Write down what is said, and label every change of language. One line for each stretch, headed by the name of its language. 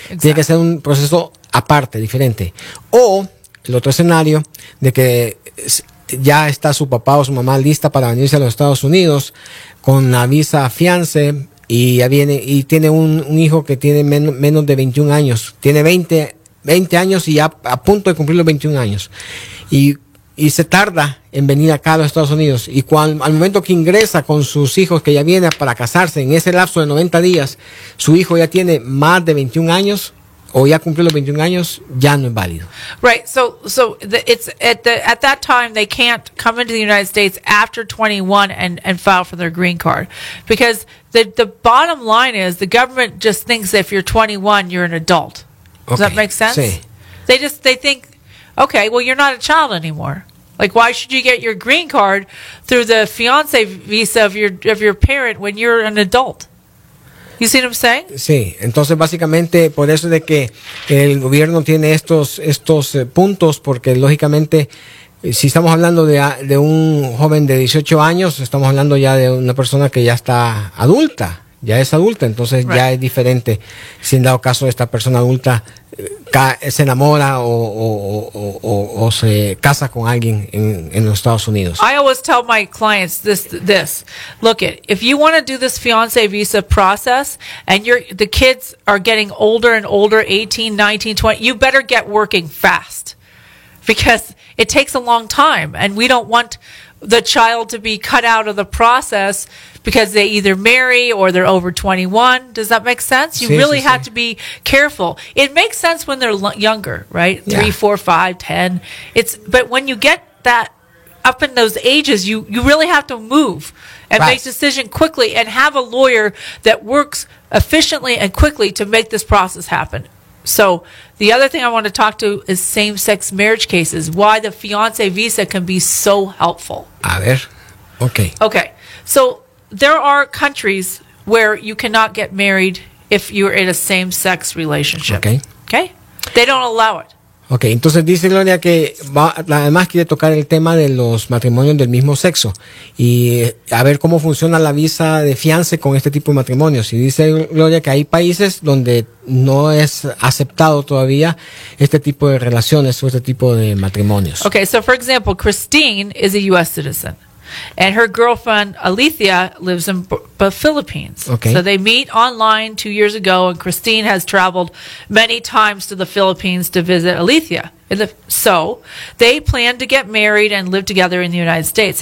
Spanish: Tiene que ser un proceso aparte, diferente. O el otro escenario de que ya está su papá o su mamá lista para venirse a los Estados Unidos con la visa fiancé y ya viene y tiene un hijo que tiene menos de 21 años, tiene 20 años y ya a punto de cumplir los 21 años. Y se tarda en venir acá a los Estados Unidos. Y cuando, al momento que ingresa con sus hijos, que ya viene para casarse, en ese lapso de 90 días, su hijo ya tiene más de 21 años, o ya cumplió los 21 años, ya no es válido.
English: Right, at that time, they can't come into the United States after 21 and file for their green card. Because the bottom line is, the government just thinks if you're 21, you're an adult. Okay. Does that make sense?
Spanish: Sí.
English: They think, okay, well, you're not a child anymore. Like, why should you get your green card through the fiancé visa of your parent when you're an adult? You see what I'm saying?
Spanish: Sí. Entonces, básicamente, por eso es de que el gobierno tiene estos puntos, porque lógicamente, si estamos hablando de un joven de 18 años, estamos hablando ya de una persona que ya está adulta. Ya es adulta, entonces right. Ya es diferente. Si en dado caso esta persona adulta se enamora o se casa con alguien en los Estados Unidos.
English: I always tell my clients this. Look it, if you want to do this fiancé visa process and the kids are getting older and older, 18, 19, 20, you better get working fast. Because it takes a long time and we don't want the child to be cut out of the process because they either marry or they're over 21. Does that make sense? You have to be careful. It makes sense when they're younger, right? Yeah. 3, 4, 5, 10. But when you get that up in those ages, you really have to move and right. Make decision quickly and have a lawyer that works efficiently and quickly to make this process happen. So the other thing I want to talk to is same-sex marriage cases, why the fiancé visa can be so helpful.
Spanish: A ver, okay.
English: Okay, so there are countries where you cannot get married if you're in a same-sex relationship. Okay. Okay? They don't allow it.
Spanish: Okay, entonces dice Gloria que además quiere tocar el tema de los matrimonios del mismo sexo y a ver cómo funciona la visa de fiancé con este tipo de matrimonios. Y dice Gloria que hay países donde no es aceptado todavía este tipo de relaciones o este tipo de matrimonios.
English: Okay, so for example, Christine is a U.S. citizen and her girlfriend Alethea lives in the Philippines. Okay. So they meet online 2 years ago and Christine has traveled many times to the Philippines to visit Alethea. So they plan to get married and live together in the United States.